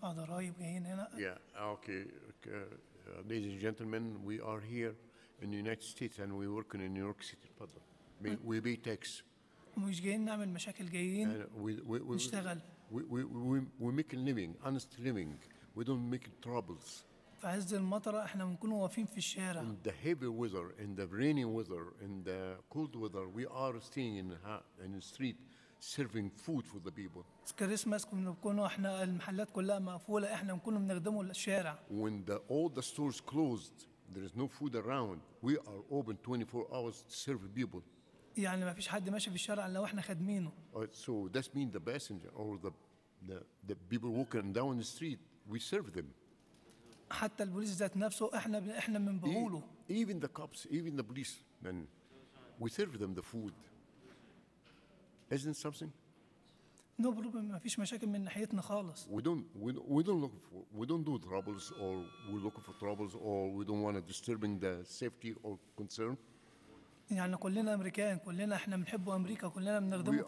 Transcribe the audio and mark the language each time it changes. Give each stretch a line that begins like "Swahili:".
English: Okay, ladies and gentlemen, we are here in the United States and we work in New York City. We be techs.
Arabic: مش جايين نعمل مشاكل جايين نشتغل
English: we make a living, honest living. We don't make troubles.
Arabic: في عز المطرة احنا بنكون واقفين في الشارع.
English: In the heavy weather, in the rainy weather, in the cold weather, we are staying in the street serving food for the people.
Arabic: في كريسماس بنكون احنا المحلات كلها مقفولة احنا بنكون بنخدموا الشارع.
English: When all the stores closed, there is no food around, we are open 24 hours to serve people.
Arabic: يعني ما فيش حد ماشي في الشارع لو احنا خدمينه.
English: So that means the passenger or the people walking down the street, we serve them.
Arabic: حتى البوليس ذات نفسه احنا من بقوله.
English: Even the cops, even the policemen, We serve them the food. Isn't it something? No problem.
Arabic: ما فيش مشاكل من ناحيتنا خالص.
English: We don't look for troubles or we don't want to disturbing the safety or concern.
Arabic: يعني كلنا أمريكان كلنا إحنا بنحب أمريكا كلنا بنخدم أمريكا.